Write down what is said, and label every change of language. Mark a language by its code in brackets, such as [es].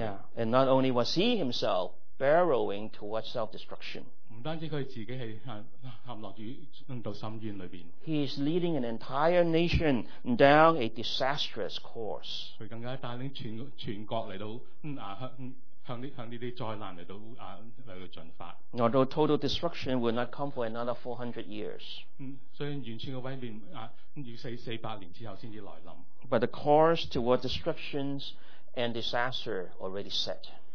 [en] Yeah, and not only was he himself barrowing towards self-destruction. [zh] 不单止他自己是陷落于深渊里面。 [en] He is leading an entire nation down a disastrous course. [zh] 他更加带领全国来到向这些灾难来到进发。 [en] Although total destruction will not come for another 400 years. [zh] 所以完全的毁灭要400年之后才来临。 [en] But the course toward destruction and disaster already set.